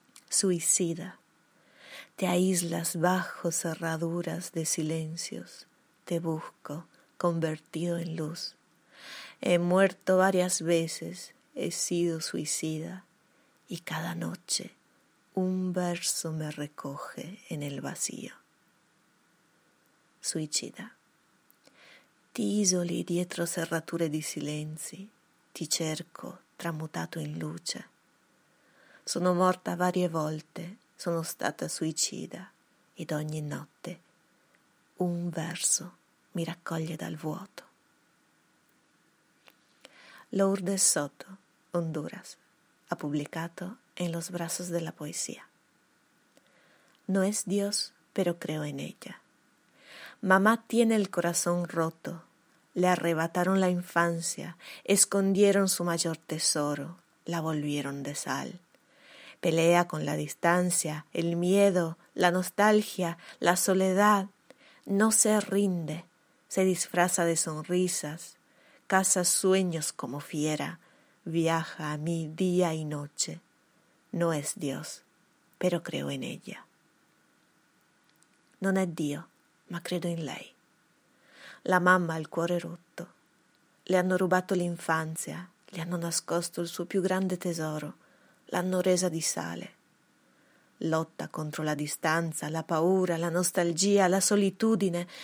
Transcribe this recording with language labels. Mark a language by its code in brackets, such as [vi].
[es] Suicida, te aíslas bajo cerraduras de silencios, te busco convertido en luz. He muerto varias veces, he sido suicida, y cada noche un verso me recoge en el vacío. Suicida. [it] Ti isoli dietro serrature di silenzi, ti cerco tramutato in luce. Sono morta varie volte, sono stata suicida, ed ogni notte un verso mi raccoglie dal vuoto. Lourdes Soto, Honduras, ha pubblicato En los brazos de la poesía. [es] No es Dios, pero creo en ella. Mamá tiene el corazón roto. Le arrebataron la infancia, escondieron su mayor tesoro, la volvieron de sal. Pelea con la distancia, el miedo, la nostalgia, la soledad. No se rinde, se disfraza de sonrisas, caza sueños como fiera, viaja a mí día y noche. No es Dios, pero creo en ella. [it] Non è Dio, ma credo in lei. La mamma ha il cuore rotto. Le hanno rubato l'infanzia, le hanno nascosto il suo più grande tesoro, l'hanno resa di sale. Lotta contro la distanza, la paura, la nostalgia, la solitudine.